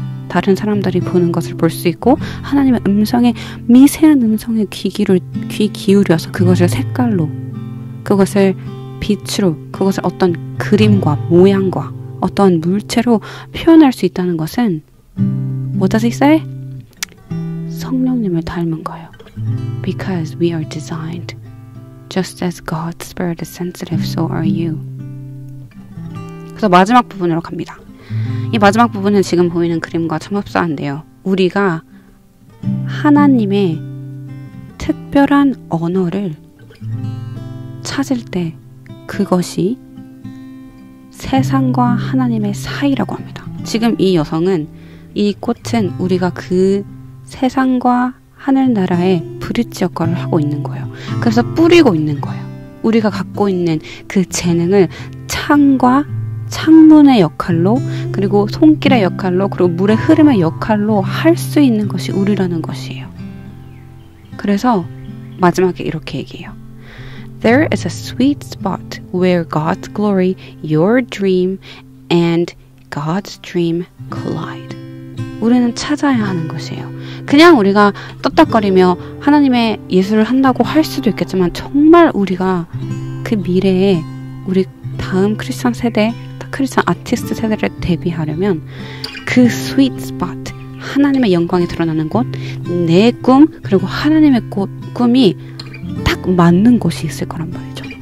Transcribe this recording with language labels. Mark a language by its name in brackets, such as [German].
[Korean] 다른 사람들이 보는 것을 볼 수 있고 하나님의 음성에 미세한 음성에 귀 기울여서 그것을 색깔로 그것을 빛으로 그것을 어떤 그림과 모양과 어떤 물체로 표현할 수 있다는 것은 [English] What does he say? [Korean] 성령님을 닮은 거예요. [English] Because we are designed just as God's spirit is sensitive, so are you. [Korean] 그래서 마지막 부분으로 갑니다. 이 마지막 부분은 지금 보이는 그림과 참 흡사한데요. 우리가 하나님의 특별한 언어를 찾을 때 그것이 세상과 하나님의 사이라고 합니다. 지금 이 여성은 이 꽃은 우리가 그 세상과 하늘나라의 브릿지 역할을 하고 있는 거예요. 그래서 뿌리고 있는 거예요. 우리가 갖고 있는 그 재능을 창과 창문의 역할로 그리고 손길의 역할로 그리고 물의 흐름의 역할로 할 수 있는 것이 우리라는 것이에요. 그래서 마지막에 이렇게 얘기해요. [English] There is a sweet spot where God's glory, your dream, and God's dream collide. [Korean] 우리는 찾아야 하는 것이에요. 그냥 우리가 떳떳거리며 하나님의 예술을 한다고 할 수도 있겠지만 정말 우리가 그 미래에 우리 다음 크리스천 세대, 크리스천 아티스트 세대를 대비하려면 그 sweet spot, 하나님의 영광이 드러나는 곳, 내 꿈, 그리고 하나님의 꿈이 딱 맞는 곳이 있을 거란 말이죠.